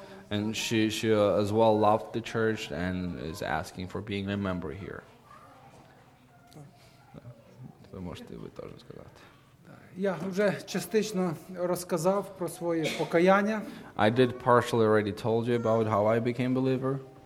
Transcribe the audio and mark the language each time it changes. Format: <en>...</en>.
<en>And she as well loved the church and is asking for being a member here.</en> <uk>Ви можете ви теж сказати. Я вже частично розказав про своє покаяння.</uk> <en>I did partially already told you about how I became a believer.</en>